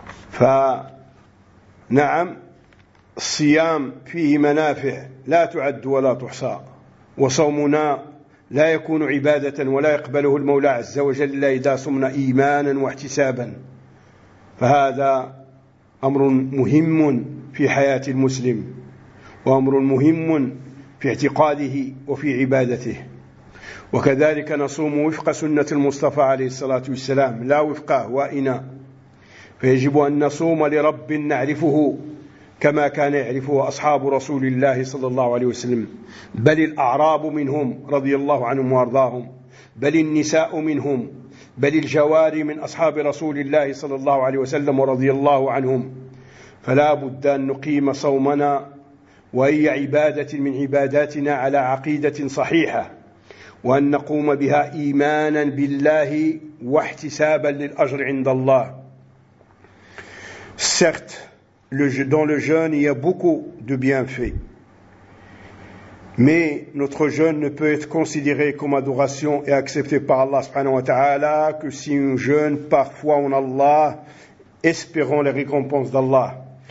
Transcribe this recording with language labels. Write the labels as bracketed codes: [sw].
[ar] Fa na'am siyam fihi manafi' la tu'ad wa la tuhsa wa sawmuna لا يكون عبادة ولا يقبله المولى عز وجل إذا صمنا إيمانا واحتسابا. فهذا أمر مهم في حياة المسلم وأمر مهم في اعتقاده وفي عبادته. وكذلك نصوم وفق سنة المصطفى عليه الصلاة والسلام لا وفق أهوائنا، فيجب أن نصوم لرب نعرفه كما كان يعرفه أصحاب رسول الله صلى الله عليه وسلم، بل الأعراب منهم رضي الله عنهم وارضاهم، بل النساء منهم، بل الجواري من أصحاب رسول الله صلى الله عليه وسلم ورضي الله عنهم. فلا بد أن نقيم صومنا وهي عبادة من عباداتنا على عقيدة صحيحة، وأن نقوم بها إيمانا بالله واحتسابا للأجر عند الله. [fr] Certes, dans le jeûne, il y a beaucoup de bienfaits. Mais notre jeûne ne peut être considéré comme adoration et accepté par Allah [ar] subhanahu wa ta'ala [fr] que si on jeûne par foi en Allah, espérant les récompenses d'Allah.